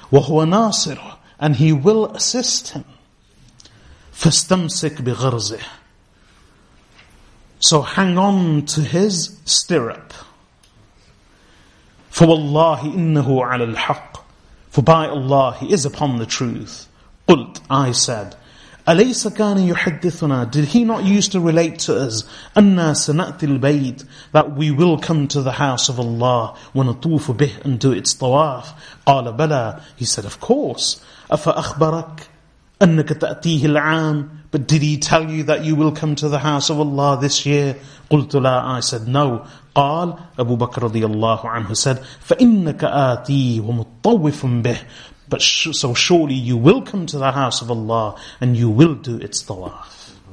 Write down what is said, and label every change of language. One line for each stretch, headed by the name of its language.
Arabic: وهو ناصر.
English: And he will assist him.
Arabic: فاستمسك بغرزه.
English: So hang on to his stirrup.
Arabic: فوالله إنه على الحق.
English: For by Allah, he is upon the truth.
Arabic: قلت,
English: I said,
Arabic: أليس كان يحدثنا?
English: Did he not used to relate to us?
Arabic: أنا سنأتي البيت,
English: that we will come to the house of Allah
Arabic: ونطوف به
English: and do its طواف.
Arabic: قال بلى.
English: He said, of course.
Arabic: أفأخبرك أنك تأتيه العام?
English: But did he tell you that you will come to the house of Allah this year?
Arabic: قلت لا.
English: I said, no.
Arabic: قال أبو بكر رضي الله عنه
English: said
Arabic: فإنك آتي ومطوف به
English: but so surely you will come to the house of Allah and you will do its tawaf.